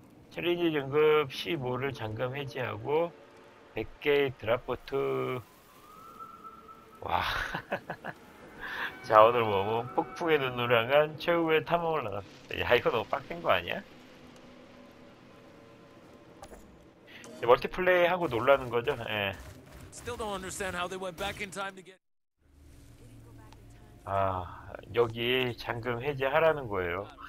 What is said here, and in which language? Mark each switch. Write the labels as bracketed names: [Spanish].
[Korean] 챌린지 등급 15를 잠금 해제하고 100개의 드랍포트. 와. 자, 오늘 몸은 폭풍의 눈으로 향한 최후의 탐험을 나갔습니다. 야, 이거 너무 빡센 거 아니야? 이제 멀티플레이 하고 놀라는 거죠? 예. [English] Still don't understand how they went back in time to get... [Korean] 아, 여기 잠금 해제하라는 거예요.